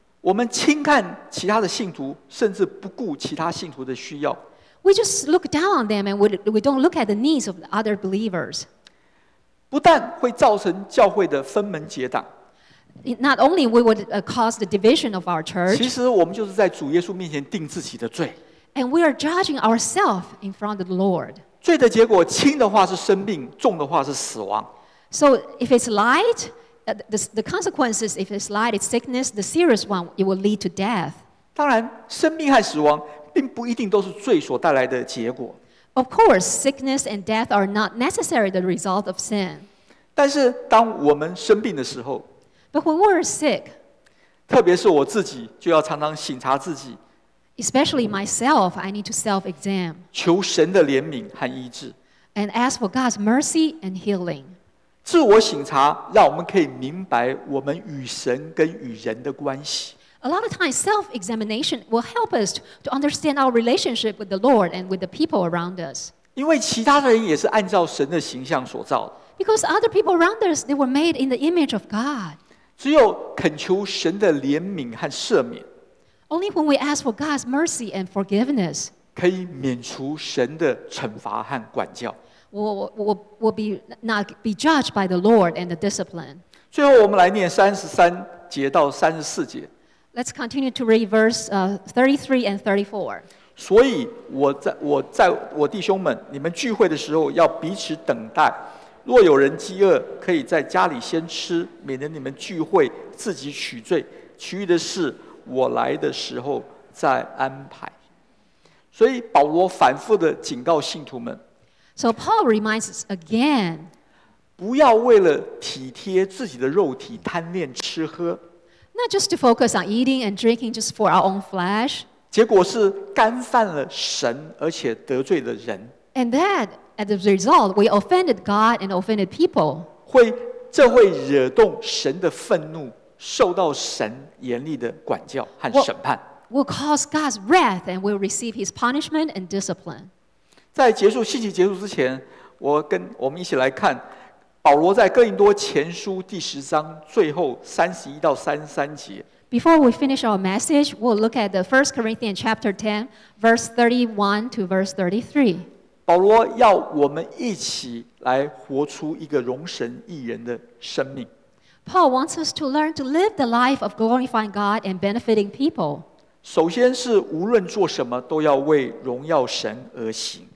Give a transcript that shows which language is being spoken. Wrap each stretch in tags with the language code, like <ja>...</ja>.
<zh>我们轻看其他的信徒，甚至不顾其他信徒的需要。</zh> <en>We just look down on them, and we don't look at the needs of other believers.</en> <zh>不但会造成教会的分门结党。</zh> <en>Not only we would cause the division of our church.</en> <zh>其实我们就是在主耶稣面前定自己的罪。</zh> <en>And we are judging ourselves in front of the Lord.</en> <zh>罪的结果，轻的话是生病，重的话是死亡。</zh> <en>So if it's light, the consequences if it's light, it's sickness. The serious one, it will lead to death.</en> <zh>当然，生病和死亡并不一定都是罪所带来的结果。</zh> <en>Of course, sickness and death are not necessarily the result of sin.</en> <zh>但是当我们生病的时候</zh> <en>，But when we're sick,</en> <zh>特别是我自己，就要常常省察自己。</zh> <en>Especially myself, I need to self-exam.</en> <zh>求神的怜悯和医治。</zh> <en>And ask for God's mercy and healing.</en> <zh>自我省察，让我们可以明白我们与神跟与人的关系。</zh> <en>A lot of times, self-examination will help us to understand our relationship with the Lord and with the people around us.</en> <zh>因为其他的人也是按照神的形象所造。</zh> <en>Because other people around us, they were made in the image of God.</en> <zh>只有恳求神的怜悯和赦免。</zh> <en>Only when we ask for God's mercy and forgiveness,</en> <zh>可以免除神的惩罚和管教。</zh> <en>We'll not be judged by the Lord and the discipline.</en> <zh>最后，我们来念33节到34节。</zh> <en>Let's continue to read verse 33 and 34.</en> <zh>所以我弟兄们，你们聚会的时候要彼此等待。若有人饥饿，可以在家里先吃，免得你们聚会自己取罪。其余的事。我来的时候再安排。所以保罗反复的警告信徒们。</zh> <en>So Paul reminds us again.</en> <zh>不要为了体贴自己的肉体贪恋吃喝。</zh> <en>Not just to focus on eating and drinking just for our own flesh.</en> <zh>结果是干犯了神，而且得罪了人。</zh> <en>And that, as a result, we offended God and offended people.</en> <zh>这会惹动神的愤怒，受到神严厉的管教和审判。</zh> <en>Will cause God's wrath and will receive His punishment and discipline.</en> <zh>在结束信息结束之前，我们一起来看保罗在哥林多前书第十章最后31-33节。</zh> <en>Before we finish our message, we'll look at the 1 Corinthians chapter 10, verse 31 to verse 33.</en> <zh>保罗要我们一起来活出一个荣神益人的生命。</zh> <en>Paul wants us to learn to live the life of glorifying God and benefiting people.</en> <zh>首先是无论做什么都要为荣耀神而行。</zh>